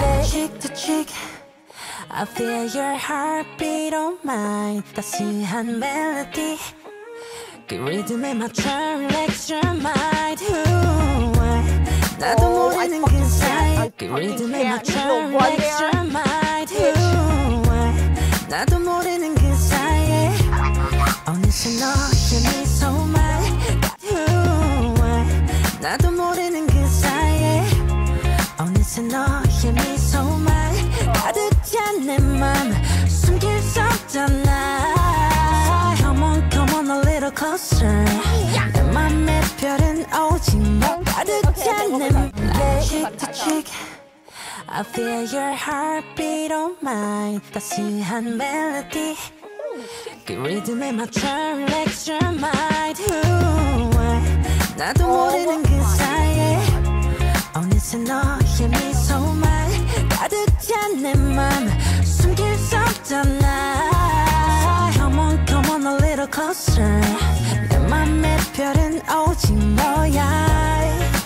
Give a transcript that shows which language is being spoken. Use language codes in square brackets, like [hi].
[en] Cheek to cheek, I feel your heartbeat on mine. [ko] 따스한 [en] melody. Good rhythm in my turn, relax your mind. [ko] Ooh, 나도 모르는 그 사이. [en] Good rhythm in my turn, relax your mind. [ko] Ooh, 나도 모르는 그 사이에 어느새 너의 미소만. Ooh, 나도 모르는 그 사이에 어느새 너의 미소만 가득 찬 내 맘 숨길 수 없잖아. [en] Come on, come on a little closer. [ko] 내 맘에 별은 오직 [en] magic. I feel your heartbeat on my [ko] 따스한 [en] melody. The rhythm in my turn, extra mind. [ko] Ooh, 나도 모르는 그 사이에 어느새 너의 미소만 가득 찬 내 맘 숨길 수 없잖아. [en] Come on, come on a little closer. [ko] 내 맘에 별은 오직 너야.